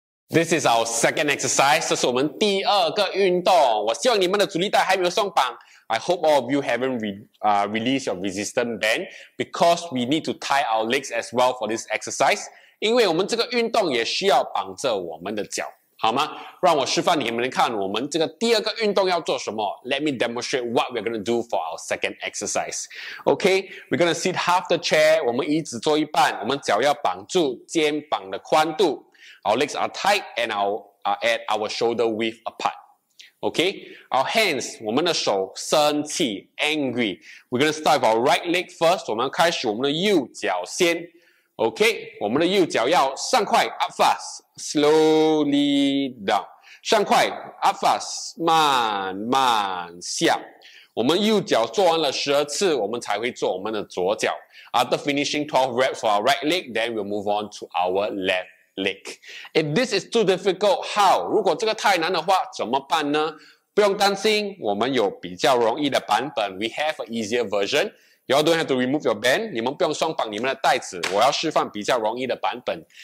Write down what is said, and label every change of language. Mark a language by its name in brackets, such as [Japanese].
[English] This is our second exercise. [Chinese] 这是我们第二个运动我希望你们的阻力带还没有松绑 [English] I hope all of you haven't released your resistance band because we need to tie our legs as well for this exercise. [Chinese] 因为我们这个运动也需要绑着我们的脚好吗？让我示范你们看我们这个第二个运动要做什么。 [English] Let me demonstrate what we're gonna do for our second exercise. Okay, we're gonna sit half the chair. [Chinese] 我们椅子坐一半，我们脚要绑住肩膀的宽度。 [English] Our legs are tight and at our shoulder width apart. Okay, our hands. [Chinese] 我们的手生气 [English] angry. We're gonna start with our right leg first. [Chinese] 我们开始我们的右脚先。 [English] Okay, [Chinese] 我们的右脚要上快 [English] up fast. Slowly down. [Chinese] 上快 [English] up fast. [Chinese] 慢慢下。我们右脚做完了12次我们才会做我们的左脚。 [English] After finishing 12 reps for our right leg, then we'll move on to our left leg. If this is too difficult, how? [Chinese] 如果这个太难的话怎么办呢不用担心我们有比较容易的版本。 [English] We have an easier version. Y'all don't have to remove your band. [Chinese] 你们不用双绑你们的带子。我要示范比较容易的版本。